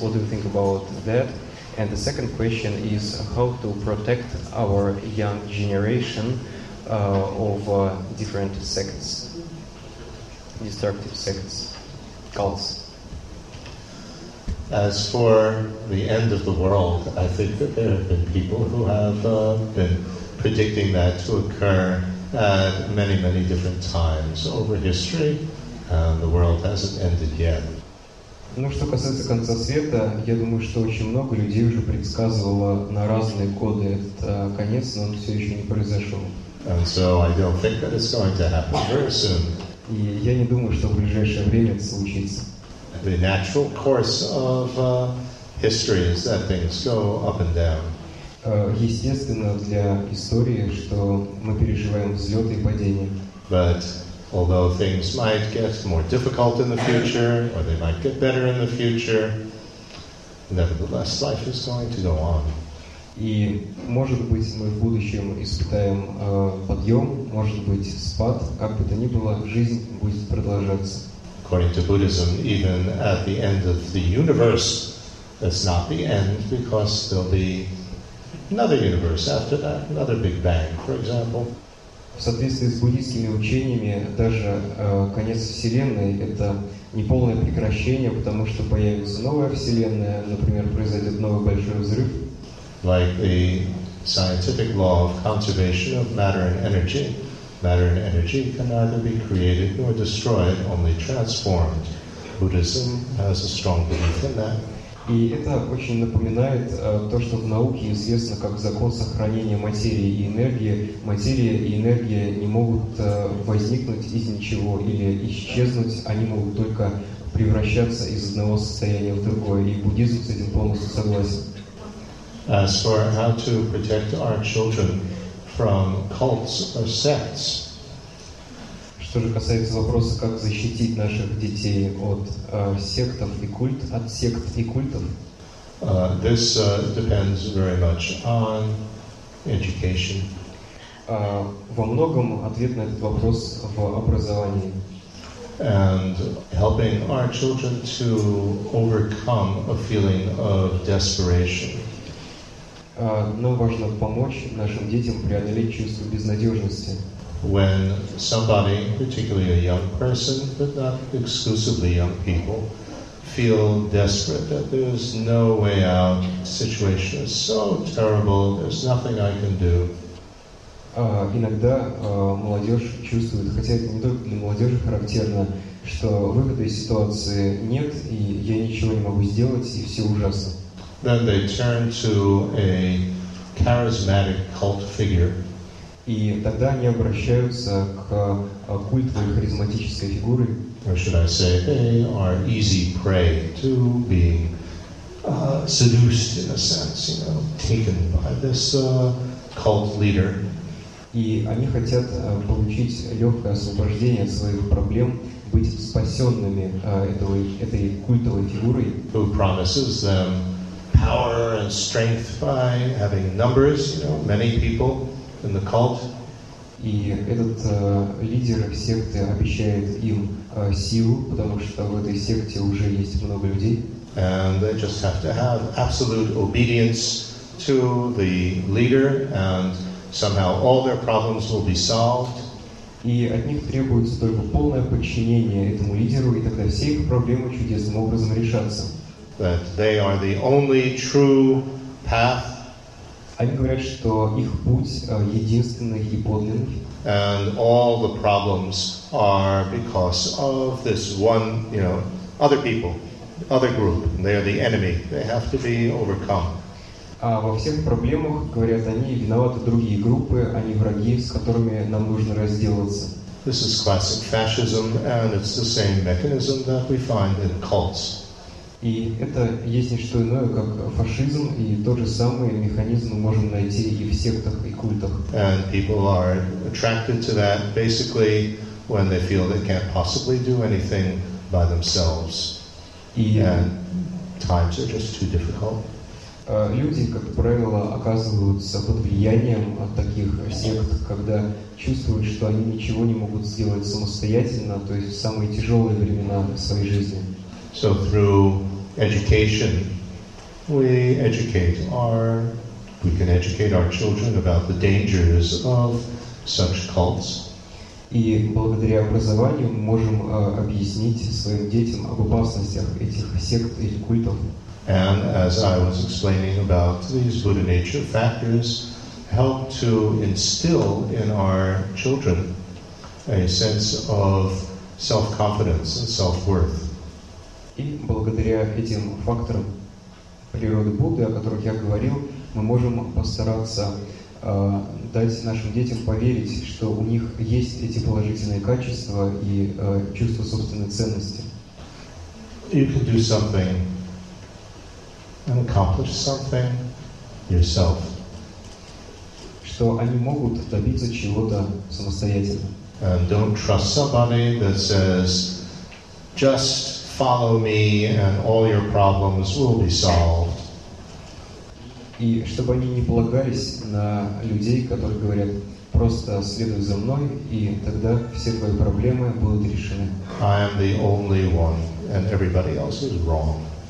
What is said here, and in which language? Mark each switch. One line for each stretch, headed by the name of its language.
English: What do you think about that? And the second question is how to protect our young generation of different sects, destructive sects, cults. As for the end of the world, I think that there have been people who have been predicting that to occur at many, many different times over history. The world hasn't ended yet.
Russian: Ну, что касается конца света, я думаю, что очень много людей уже предсказывало на разные годы этот конец, но он все еще не произошел.
English: And so I don't think that it's going to happen very soon.
Russian: И я не думаю, что в ближайшее время это случится.
English: The natural course of history is that things go up and down.
Russian: Естественно для истории, что мы переживаем взлеты и падения.
English: But although things might get more difficult in the future, or they might get better in the future, nevertheless, life is going to go on.
Russian: И может быть мы в будущем испытаем подъем, может быть спад, как бы то ни было, жизнь будет продолжаться.
English: According to Buddhism, even at the end of the universe, that's not the end, because there'll be another universe after that, another big bang, for example.
Russian: В соответствии с буддийскими учениями, даже конец Вселенной — это не полное прекращение, потому что появится новая Вселенная, например, произойдет новый большой взрыв.
English: Like the scientific law of conservation of matter and energy can neither be created nor destroyed, only transformed. Buddhism has a strong belief in that.
Russian: И это очень напоминает то, что в науке известно как закон сохранения материи и энергии. Материя и энергия не могут возникнуть из ничего или исчезнуть, они могут только превращаться из одного состояния в другое. И буддизм с этим полностью согласен.
English: As for how to protect our children from cults or sects.
Russian: Что же касается вопроса, как защитить наших детей от сектов и культ, от сект и культов?
English: This depends very much on education.
Russian: Во многом ответ на этот вопрос в образовании.
English: And helping our children to overcome a feeling of desperation.
Russian: Нам важно помочь нашим детям преодолеть чувство безнадежности.
English: When somebody, particularly a young person, but not exclusively young people, feel desperate, that there's no way out, situation is so terrible, there's nothing I can do.
Russian: Иногда молодежь чувствует, хотя это не только для молодежи характерно, что выхода из ситуации нет, и я ничего не могу сделать, и все ужасно.
English: Then they turn to a charismatic cult figure.
Russian: И тогда они обращаются к культовой харизматической фигуре.
English: Or should I say, they are easy prey to being seduced in a sense, you know, taken by this cult leader.
Russian: И они хотят получить легкое освобождение от своих проблем, быть спасенными этой культовой фигурой.
English: Who promises them power and strength by having numbers, you know, many people in the cult.
Russian: И этот лидер секты обещает им силу, потому что в этой секте уже есть много людей.
English: And they just have to have absolute obedience to the leader, and somehow all their problems will be solved.
Russian: И от них требуется только полное подчинение этому лидеру, и тогда все их проблемы чудесным образом решатся.
English: That they are the only true path.
Russian: Они говорят, что их путь единственный и подлинный.
English: And all the problems are because of this one, you know, other people, other group. They are the enemy. They have to be overcome.
Russian: А во всех проблемах, говорят они, виноваты другие группы, они враги, с которыми нам нужно разделаться.
English: This is classic fascism, and it's the same mechanism that we find in cults.
Russian: И это есть не что иное, как фашизм, и тот же самый механизм мы можем найти и в сектах, и культах.
English: And people are attracted to that basically when they feel they can't possibly do anything by themselves. And times are just too difficult.
Russian: Люди, как правило, оказываются под влиянием от таких сект, когда чувствуют, что они ничего не могут сделать самостоятельно, то есть в самые тяжелые времена своей жизни.
English: So through education, we can educate our children about the dangers of such cults.
Russian: И благодаря образованию мы можем объяснить своим детям об опасностях этих сект и культов.
English: And as I was explaining about these Buddha nature factors, help to instill in our children a sense of self-confidence and self-worth.
Russian: И благодаря этим факторам природы Будды, о которых я говорил, мы можем постараться дать нашим детям поверить, что у них есть эти положительные качества и чувство собственной ценности.
English: You can do something and accomplish something yourself.
Russian: Что они могут добиться чего-то самостоятельно.
English: And don't trust somebody that says just follow me and all your problems will be solved.
Russian: И чтобы они не полагались на людей, которые говорят, просто следуй за мной, и тогда все твои проблемы будут решены.
English: I am the only one and everybody else is wrong.